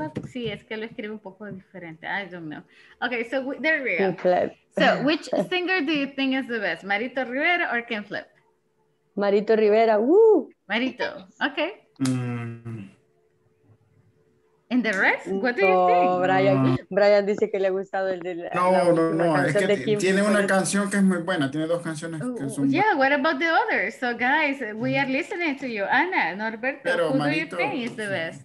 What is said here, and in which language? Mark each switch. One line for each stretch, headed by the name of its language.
Spanish: Sí, es que lo escribe un poco diferente.
English: I don't know. Okay, so there we are. So, which singer do you think is the best? Marito Rivera or Ken Flip? Marito Rivera, woo! Marito, okay. And the rest? What do you think? Oh, Brian.
Spanish: Brian dice que le ha gustado el de la. No. Es que tiene una canción que es muy buena. Tiene dos canciones que son.
English: Yeah, what about the others? So, guys, we are listening to you. Ana, Norberto, pero who Marito, do you think is the best?